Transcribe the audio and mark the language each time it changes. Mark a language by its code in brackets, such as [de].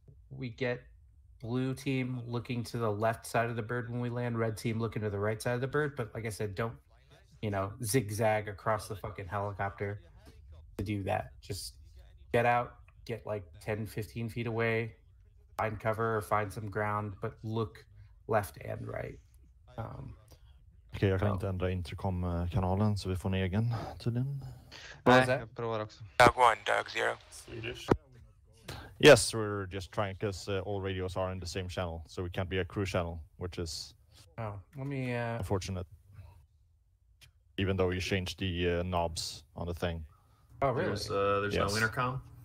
[en] We get blue team looking to the left side of the bird when we land, red team looking to the right side of the bird, but like I said, don't, you know, zigzag across the fucking helicopter to do that. Just get out, get like 10-15 feet away, find cover or find some ground, but look left and right. [sv] Okay, jag kan inte ändra intercom kanalen så vi får ner igen till den. [en] Dog 1, Dog 0. Swedish. Yes, we're just trying because all radios are in the same channel, so we can't be a crew channel, which is unfortunate. Even though you changed the knobs on the thing. Oh, really? There's no intercom?